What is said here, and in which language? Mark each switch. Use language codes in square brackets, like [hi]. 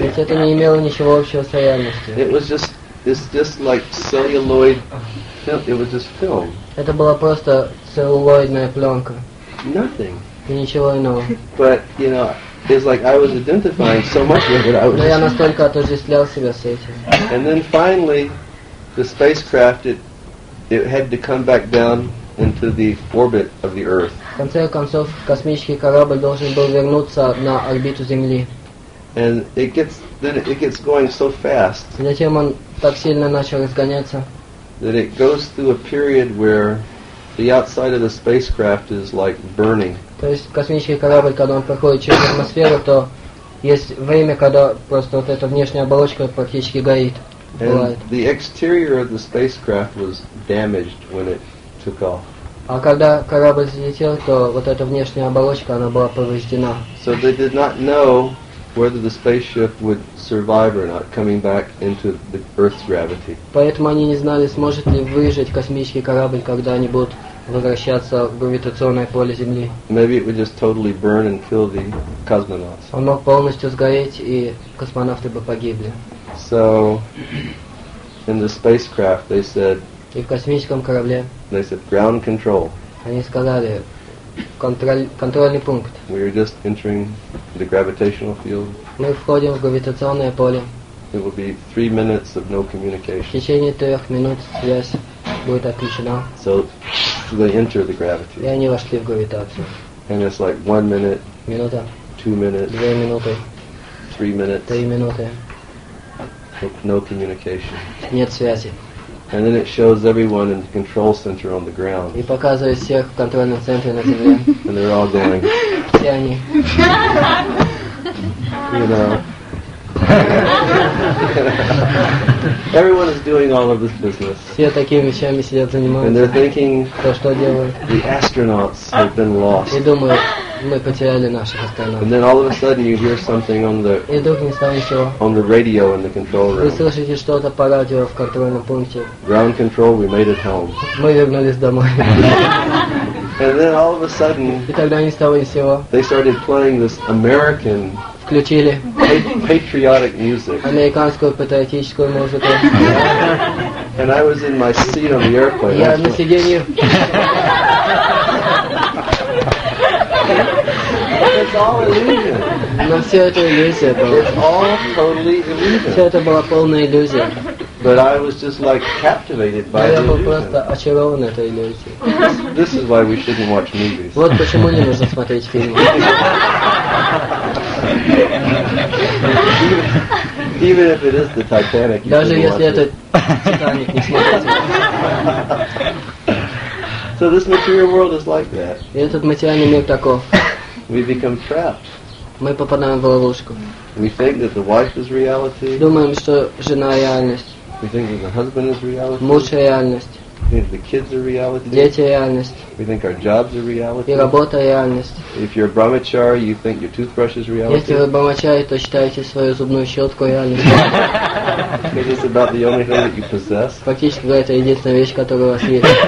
[ru] Ведь это не имело ничего общего с реальностью. [en] It was just, it's just like celluloid... It was just film. [ru] Это была просто целлулоидная пленка. [en] Nothing. [ru] И ничего иного. [en] But you know, it's like I was identifying so much with it. [ru] Но я настолько отождествлял себя с этим. [en] And then finally, the spacecraft it had to come back down into the orbit of the Earth. [ru] В конце концов, космический корабль должен был вернуться на орбиту Земли. [en] And it gets going so fast. [ru] Затем он так сильно начал разгоняться. [en] That it goes through a period where the outside of the spacecraft is like burning. [ru] То есть космический корабль, когда он проходит через атмосферу, то есть время, когда просто вот эта внешняя оболочка практически горит. [en] And the exterior of the spacecraft was damaged when it took off. [ru] А когда корабль взлетел, то вот эта внешняя оболочка, она была повреждена. [en] So they did not know whether the spaceship would survive or not, coming back into the Earth's gravity. [ru] Поэтому они не знали, сможет ли выжить космический корабль, когда они будут возвращаться в гравитационное поле Земли. [en] Maybe it would just totally burn and kill the cosmonauts. [ru] Он мог полностью сгореть, и космонавты бы погибли. [en] So, in the spacecraft, they said. [ru] И в космическом корабле. [en] They said ground control. [ru] Они сказали. Контрольный пункт. [en] We are just entering the gravitational field. [ru] Мы входим в гравитационное поле. [en] It will be 3 minutes of no communication. [ru] В течение 3 минут связь будет отключена. [en] So they enter the gravity. [ru] И они вошли в гравитацию. [en] And it's like 1 minute. [ru] Минута. [en] 2 minutes. [ru] 2 минуты. [en] 3 minutes. [ru] 3 минуты. [en] No communication. [ru] Нет связи. [en] And then it shows everyone in the control center on the ground. [ru] И показывает всех в контрольном центре на земле. [en] And they're all going. [ru] Все они. [en] You know. Everyone is doing all of this business. [ru] Все такими вещами сидят, занимаются. [en] And they're thinking. [ru] То, что делают. [en] The astronauts have been lost. [ru] И думают, мы потеряли наших астронавтов. [en] And then all of a sudden you hear something on the. [ru] И вдруг не стало ничего. [en] On the radio in the control room. [ru] Вы слышите что-то по радио в контрольном пункте. [en] Ground control, we made it home. [ru] Мы вернулись домой. [en] And then all of a sudden. [ru] И тогда не стало ничего. [en] They started playing this American. [ru] Включили. [en] Patriotic music. [ru] Американскую патриотическую музыку. [en] And I was in my seat on the airplane. [ru] Я на сиденье. [en] It's all illusion. [ru] Но [en] it's all totally illusion. [ru] Все это была полная иллюзия. [en] But I was just like captivated by the illusion. [ru] Я был просто очарован этой иллюзией. [en] This is why we shouldn't watch movies. [ru] Вот почему не нужно смотреть фильмы. [en] Even if it is the Titanic, you [ru] даже если [en] watch [ru] это Титаник, не смотрите. [en] So this material world is like that. [ru] И этот материальный мир таков. [en] We become trapped. [ru] Мы попадаем в ловушку. [en] We think that the wife is reality. [ru] Думаем, что жена реальность. [en] We think that the husband is reality. [ru] Муж реальность. [en] We think the kids are reality. [ru] Дети реальность. [en] We think our jobs are reality. [ru] И работа реальность. [en] If you're a brahmachari, you think your toothbrush is reality. [ru] Если вы брахмачари, то считаете свою зубную щетку реальностью. [en] Because it's about the only thing that you possess. [ru] Фактически, это единственная вещь, которая у вас есть.